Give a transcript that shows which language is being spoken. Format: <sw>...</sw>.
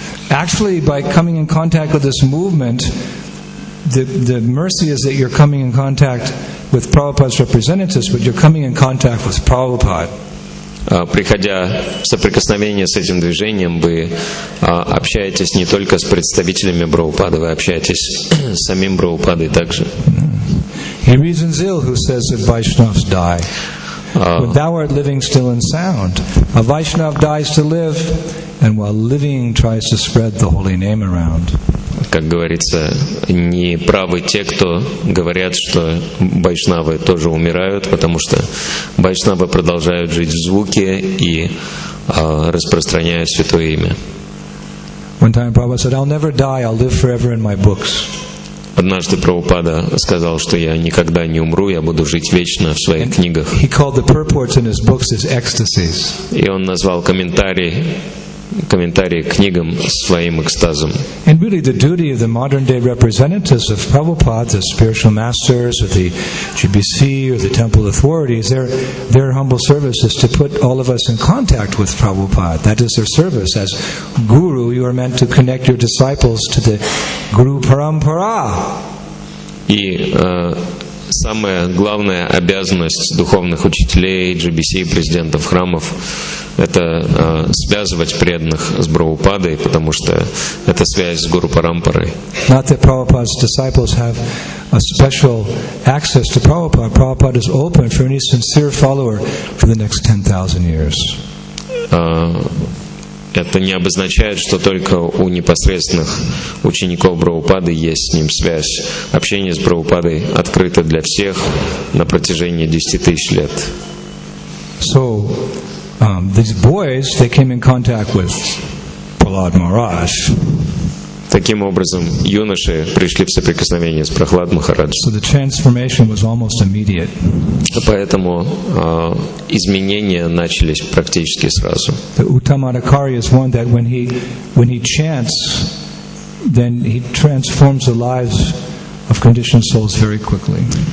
<en>Actually, by coming in contact with this movement, the mercy is that you're coming in contact with Prabhupada's representatives, but you're coming in contact with Prabhupada.</en> <ru>Приходя в соприкосновение с этим движением, вы общаетесь не только с представителями Прабхупады, вы общаетесь с самим Прабхупадой также.</ru> <en>He reasons ill who says that Vaishnavs die. But thou art living still and sound. A Vaishnav dies to live, and while living tries to spread the holy name around.</en> <ru>Как говорится, не правы те, кто говорят, что байшнавы тоже умирают, потому что байшнавы продолжают жить в звуке и распространяют святое имя.</ru> <en>One time Prabhupada said, "I'll never die, I'll live forever in my books."</en> <ru>Однажды Прабхупада сказал, что я никогда не умру, я буду жить вечно в своих</ru> <en>and</en> <ru>книгах.</ru> <en>He called the purports in his books his ecstasies.</en> <ru>И он назвал комментарии к книгам своим экстазом.</ru> <en>And really the duty of the modern day representatives of Prabhupada, the spiritual masters of the GBC or the temple authorities, their humble service is to put all of us in contact with Prabhupada. That is their service. As guru, you are meant to connect your disciples to the guru parampara.</en> <ru>И самая главная обязанность духовных учителей, GBC, президентов храмов, это связывать преданных с Прабхупадой, потому что это связь с Гуру Парампарой.</ru> <en>Not that Prabhupada's disciples have a special access to Prabhupada. Prabhupada is open for any sincere follower for the next 10,000 years.</en> <ru>Это не обозначает, что только у непосредственных учеников Прабхупады есть с ним связь. Общение с Прабхупадой открыто для всех на протяжении 10,000 лет.</ru> <en>So, these boys, they came in contact with Prahlad Maharaj.</en> <ru>Таким образом, юноши пришли в соприкосновение с Прохлад Махарадж.</ru> <en>So the transformation was almost immediate.</en> <ru>Поэтому изменения начались практически сразу.</ru> <en>The Uttamadhikari is one that when he chants then he transforms the lives of conditioned souls very quickly.</en>